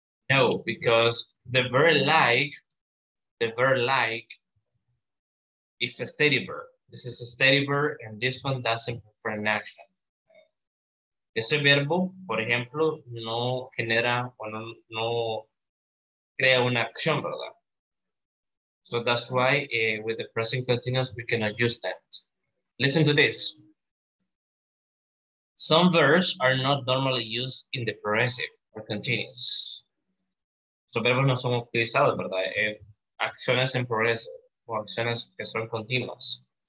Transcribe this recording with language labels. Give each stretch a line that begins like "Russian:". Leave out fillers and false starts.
English: No, because the verb like, it's a steady verb. This is a steady verb, and this one doesn't perform an action.
Spanish: Ese verbo, por ejemplo, no genera o no crea una acción, ¿verdad?
English: So that's why with the present continuous, we cannot use that. Listen to this. Some verbs are not normally used in the progressive or continuous.
Spanish: So verbos no son utilizados, ¿verdad? Acciones en progresivo o acciones que son continuas.